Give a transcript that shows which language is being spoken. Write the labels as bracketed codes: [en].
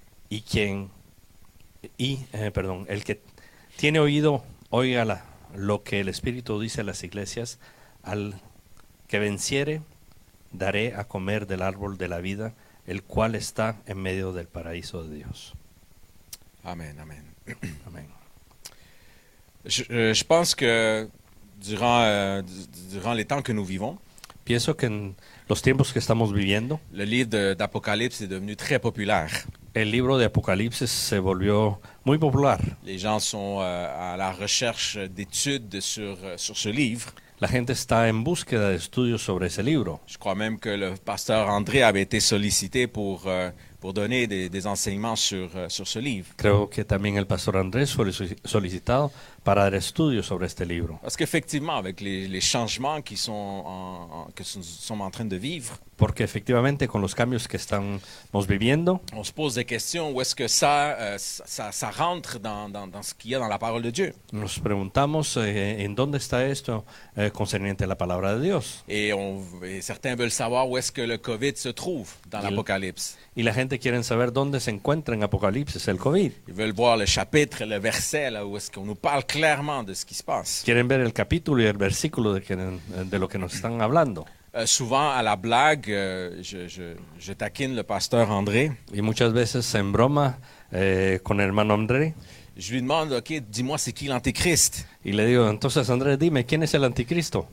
[es] El que tiene oído, oiga lo que el Espíritu dice a las iglesias: al que venciere, daré a comer del árbol de la vida, el cual está en medio del paraíso de Dios. Amen, amen. Amen. [fr] Je pense que durant les temps que nous vivons, [es] pienso que en los tiempos que estamos viviendo, [fr] le livre d'Apocalypse est devenu très populaire. [es] El libro de Apocalipsis se volvió muy popular. [fr] Les gens sont à la recherche d'études sur ce livre. [es] La gente está en búsqueda de estudios sobre ese libro. [fr] Je crois même que le pasteur André avait été sollicité pour donner des enseignements sur ce livre. [es] Creo que también el pastor Andrés fue solicitado para dar estudios sobre este libro. [fr] Parce qu'effectivement, avec les changements que sommes en train de vivre, [es] porque efectivamente con los cambios que estamos viviendo, [fr] on se pose des questions, où est-ce que ça rentre dans ce qu'il y a dans la parole de Dieu. [es] Nos preguntamos en dónde está esto concerniente a la palabra de Dios. [fr] Et certains veulent savoir où est-ce que le COVID se trouve dans l'Apocalypse. [es] Y la gente quiere saber dónde se encuentra en Apocalipsis el COVID. [fr] Ils veulent voir le chapitre, le verset, là où est-ce qu'on nous parle clairement de ce qui se passe. [es] Quieren ver el capítulo y el versículo de lo que nos están hablando. [fr] Souvent à la blague, je taquine le pasteur André. [es] Y muchas veces en broma con el hermano André. [fr] Je lui demande, ok, dis-moi c'est qui l'antéchrist. [es] Y le digo, entonces André, dime quién es el anticristo.